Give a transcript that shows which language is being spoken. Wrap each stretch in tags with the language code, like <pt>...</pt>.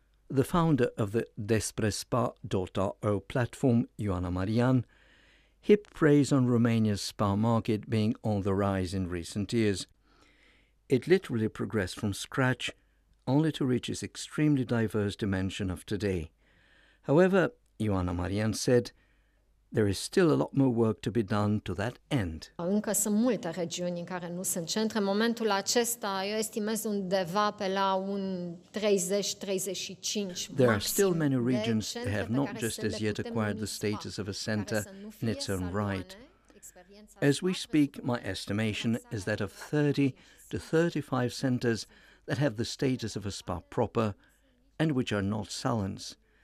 <en>The founder of the Desprespa.ro platform, Ioana Marian, heaped praise on Romania's spa market being on the rise in recent years. It literally progressed from scratch, only to reach its extremely diverse dimension of today. However, Ioana Marian said, there is still a lot more work to be done to that end.</en> <ro>Încă sunt multe regiuni în care nu sunt centre. În momentul acesta, eu estimez undeva pe la un 30-35 maxim.</ro> <en>There are still many regions that have not just as yet acquired the status of a centre in its own right. As we speak, my estimation is that of 30 to 35 centres that have the status of a spa proper and which are not salons.</en>